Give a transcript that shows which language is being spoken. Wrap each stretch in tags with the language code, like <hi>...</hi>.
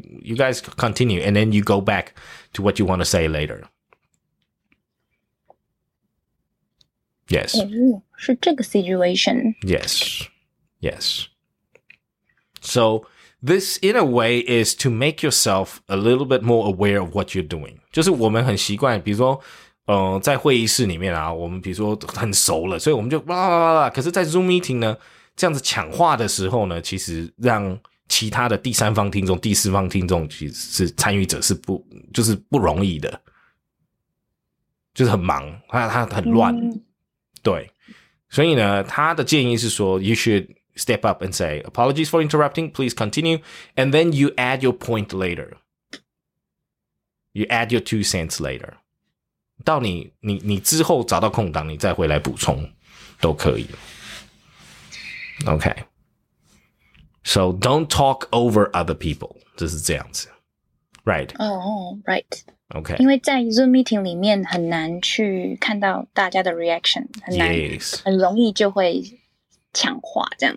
<en>You guys continue, and then you go back to what you want to say later. Yes.</en> <zh>是这个 situation.</zh> <en>Yes. Yes. So this, in a way, is to make yourself a little bit more aware of what you're doing.</en> <zh>就是我们很习惯，比如说在会议室里面啊，我们比如说很熟了，所以我们就哇哇哇。可是在 Zoom meeting 呢，这样子抢话的时候呢，其实让其他的第三方听众、第四方听众其实是参与者是不，就是不容易的，就是很忙，他很乱、嗯。对，所以呢，他的建议是说</zh> <en>，you should step up and say apologies for interrupting, please continue, and then you add your point later. You add your 2 cents later.</en> <zh>到你之后找到空档，你再回来补充都可以。</zh> <en>OK, so don't talk over other people,</en> <zh>就是这样子</zh> <en>，right? Oh, right. OK,</en> <zh>因为在 Zoom meeting 里面很难去看到大家的 reaction, 很难、</zh> <en>yes.</en> <zh>很容易就会抢话这样。</zh>